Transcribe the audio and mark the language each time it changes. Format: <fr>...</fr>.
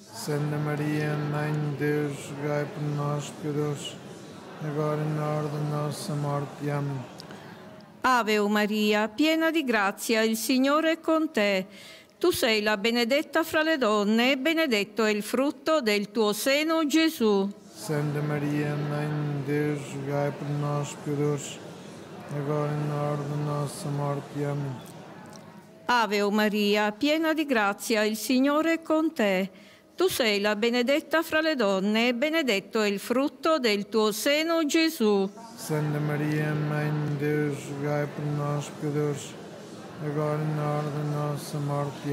<pt>Santa Maria, Mãe de Deus, rogai</pt> <it>per noi peccatori,</it> <pt>agora e na hora da nossa morte. Amém.</pt> <it>Ave Maria, piena di grazia, il Signore è con te. Tu sei la benedetta fra le donne, e benedetto è il frutto del tuo seno, Gesù.</it> <pt>Santa Maria, Mãe de Deus, rogai por nós, pecadores, agora e na hora da nossa morte. Amém.</pt> <it>Ave Maria, piena di grazia, il Signore è con te. Tu sei la benedetta fra le donne, e benedetto è il frutto del tuo seno, Gesù.</it> <pt>Santa Maria, Mãe di Deus, rogai</pt> <it>per noi peccatori,</it> <pt>agora e</pt> <it>nell'ora della nostra morte.</it>